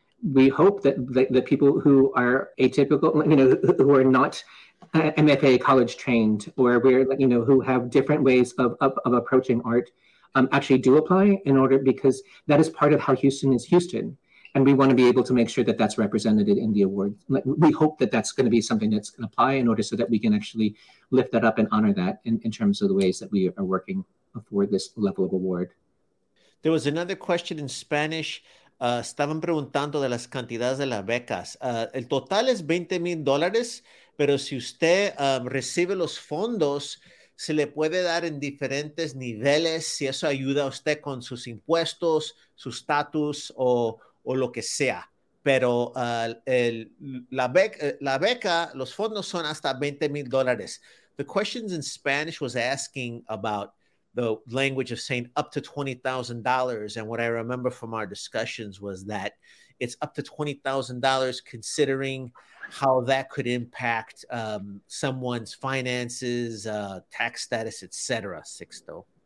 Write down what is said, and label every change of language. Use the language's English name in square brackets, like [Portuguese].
[English] We hope that the people who are atypical, you know, who are not MFA college trained, or where, you know, who have different ways of approaching art, actually do apply, in order, because that is part of how Houston is Houston. And we want to be able to make sure that that's represented in the award. We hope that that's going to be something that's going to apply, in order so that we can actually lift that up and honor that in terms of the ways that we are working for this level of award. There was another question in Spanish. [Spanish] Estaban preguntando de las cantidades de las becas. El total es $20,000, pero si usted recibe los fondos, se le puede dar en diferentes niveles, si eso ayuda a usted con sus impuestos, su estatus, o lo que sea, pero la beca, los fondos son hasta $20,000. [English] The questions in Spanish was asking about the language of saying up to $20,000. And what I remember from our discussions was that it's up to $20,000, considering how that could impact someone's finances, tax status, et cetera, Sixto.